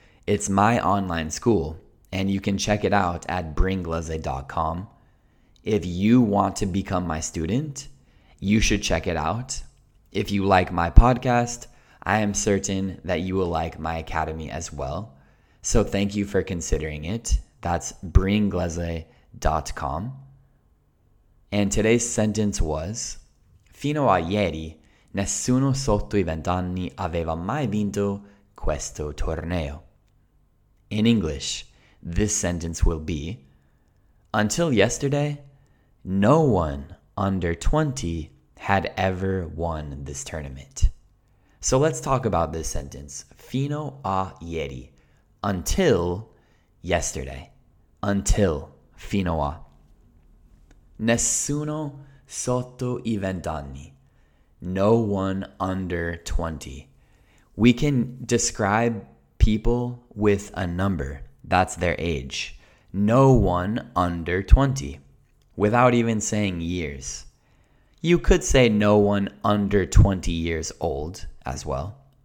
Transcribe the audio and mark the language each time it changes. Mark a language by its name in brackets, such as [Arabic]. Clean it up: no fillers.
[English] It's my online school, and you can check it out at bringlese.com. If you want to become my student, you should check it out. If you like my podcast, I am certain that you will like my academy as well. So thank you for considering it. That's bringlese.com. And today's sentence was, [Italian] fino a ieri, nessuno sotto I vent'anni aveva mai vinto questo torneo. [English] In English, this sentence will be, until yesterday, no one under 20 had ever won this tournament. So let's talk about this sentence. [Italian] Fino a ieri, [English] until yesterday, until [Italian] fino a. Nessuno sotto I vent'anni. [English] No one under 20. We can describe people with a number. That's their age. No one under 20. Without even saying years. You could say no one under 20 years old as well.